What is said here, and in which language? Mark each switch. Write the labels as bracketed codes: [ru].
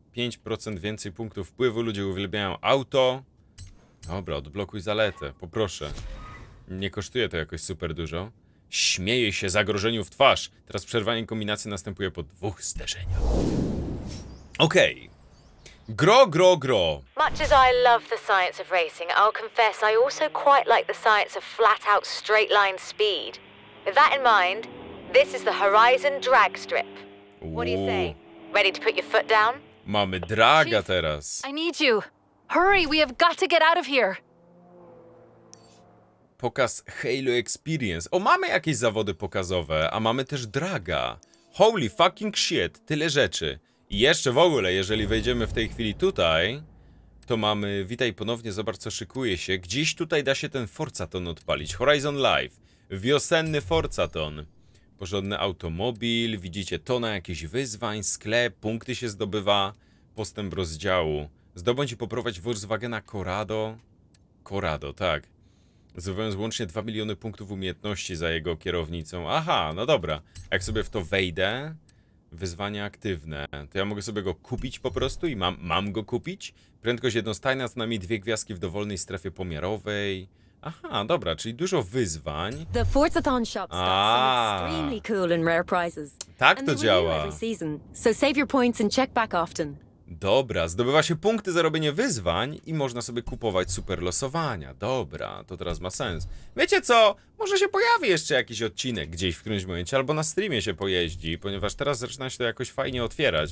[pl] 5% więcej punktów wpływu, ludzie uwielbiają auto. Dobra, odblokuj zaletę, poproszę. Nie kosztuje to jakoś super dużo. Śmieje się zagrożeniu w twarz. Teraz przerwanie kombinacji następuje po dwóch zderzeniach. Okej. Gro. [en] Much as I love the science of racing, I'll confess I also quite like the science of flat out straight line speed. With that in mind, this is the Horizon Drag Strip. What do you say? Ready to put your foot down? [pl] Mamy draga teraz. [en] I need you. Hurry, we have got to get out of here. [pl] Pokaz Halo Experience. O, mamy jakieś zawody pokazowe, a mamy też draga. [en] Holy fucking shit, [pl] tyle rzeczy. I jeszcze w ogóle, jeżeli wejdziemy w tej chwili tutaj, to mamy, witaj ponownie, zobacz co szykuje się. Gdzieś tutaj da się ten Forzaton odpalić. Horizon Live. Wiosenny Forzaton. Porządny automobil, widzicie, tona jakichś wyzwań, sklep, punkty się zdobywa, postęp rozdziału. Zdobądź i poprowadź Volkswagena Corrado. Corrado, tak. Zdobywając łącznie 2 miliony punktów umiejętności za jego kierownicą. Aha, no dobra. Jak sobie w to wejdę, wyzwania aktywne, to ja mogę sobie go kupić po prostu i mam go kupić? Prędkość jednostajna, z nami dwie gwiazdki w dowolnej strefie pomiarowej. Aha, dobra, czyli dużo wyzwań. [en] The Forzaton shop stocks some extremely cool and rare prizes. [pl] Tak to działa. [en] So save your points and check back often. [pl] Dobra, zdobywa się punkty za robienie wyzwań i można sobie kupować super losowania. Dobra, to teraz ma sens. Wiecie co? Może się pojawi jeszcze jakiś odcinek gdzieś w którymś momencie, albo na streamie się pojeździ, ponieważ teraz zaczyna się to jakoś fajnie otwierać.